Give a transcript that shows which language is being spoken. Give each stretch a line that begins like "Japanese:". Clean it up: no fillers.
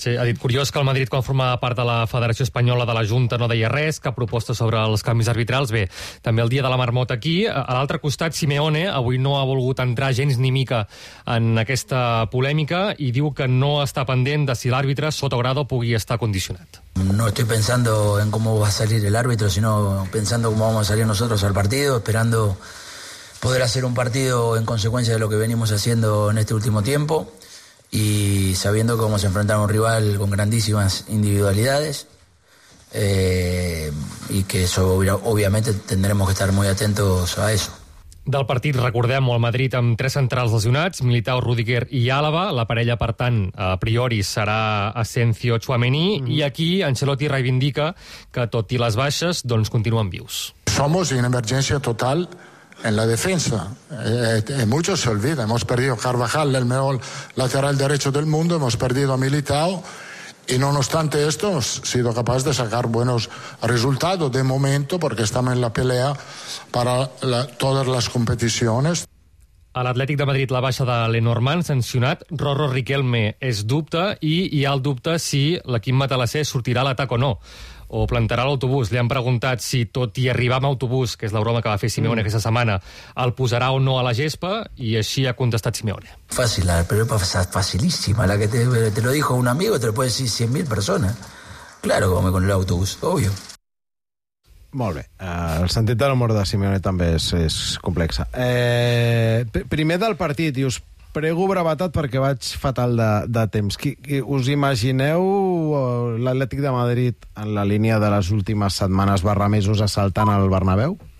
Catalan: Sí, ha dit: curiós que el Madrid, quan formava part de la Federació Espanyola de la Junta, no deia res, cap proposta sobre els canvis arbitrals. Bé, també el dia de la marmota aquí. A l'altre costat, Simeone avui no ha volgut entrar gens ni mica en aquesta polèmica i diu que no està pendent de si l'àrbitre Soto Grado pugui estar condicionado.
Spanish: No estoy pensando en cómo va a salir el árbitro, sino pensando cómo vamos a salir nosotros al partido, esperando poder hacer un partido en consecuencia de lo que venimos haciendo en este último tiempo y sabiendo cómo se enfrenta a un rival con grandísimas individualidades y que eso obviamente tendremos que estar muy atentos a eso.
Catalan: Del partit, recordem-ho, el Madrid amb tres centrals lesionats, Militao, Rüdiger i Àlava. La parella, per tant, a priori, serà Asensio, Tchouaméni. I aquí Ancelotti reivindica que, tot i les baixes, doncs continuen vius.
Spanish: Somos en emergencia total en la defensa. Muchos se olvidan. Hemos perdido Carvajal, el mejor lateral derecho del mundo. Hemos perdido a Militao. Y no obstante esto, hemos sido capaces de sacar buenos resultados de momento porque estamos en la pelea para todas las competiciones.
Catalan: A l'Atlètic de Madrid, la baixa de Lenormand, sancionat. Rorro Riquelme és dubte i hi ha el dubte si l'equip matalassé sortirà a l'atac o no. o plantarà l'autobús. Li han preguntat si, tot i arribar amb autobús, que és la broma que va fer Simeone aquesta setmana, el posarà o no a la gespa, i així ha contestat Simeone.
Spanish: Fácil, la prueba es facilísima. La que te lo dijo un amigo, te lo puede decir 100.000 personas. Claro, como con el autobús, obvio.
Catalan: Molt bé. El sentit de l'humor de Simeone també és complex. Primer del partit, i us prego brevetat perquè vaig fatal de temps. Us imagineu l'Atlètic de Madrid en la línia de les últimes setmanes barra mesos assaltant el Bernabéu?